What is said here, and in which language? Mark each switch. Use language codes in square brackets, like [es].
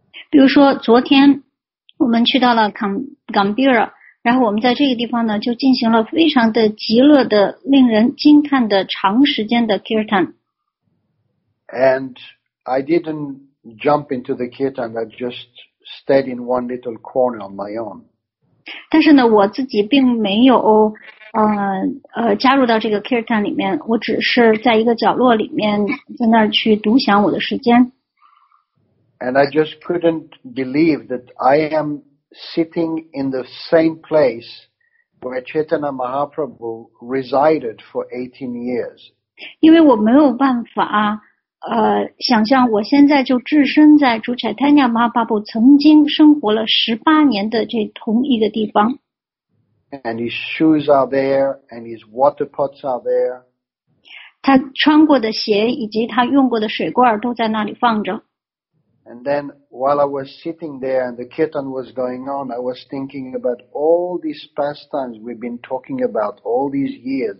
[zh] 比如说昨天我们去到了 Gambira， 然后我们在这个地方呢就进行了非常的极乐的令人惊叹的长时间的 kirtan。 [en] And I didn't jump into the kirtan, I just stayed in one little corner on my own. [zh] 但是呢我自己并没有加入到这个 kirtan 里面，我只是在一个角落里面在那儿去独享我的时间。 [en] And I just couldn't believe that I am sitting in the same place where Chaitanya Mahaprabhu resided for 18 years. [zh] 因为我没有办法想象我现在就置身在主 Chaitanya Mahaprabhu 曾经生活了18年的这同一个地方。 [en] And his shoes are there, and his water pots are there. [zh] 他穿过的鞋以及他用过的水罐都在那里放着。 [en] And then while I was sitting there and the kirtan was going on, I was thinking about all these pastimes we've been talking about all these years.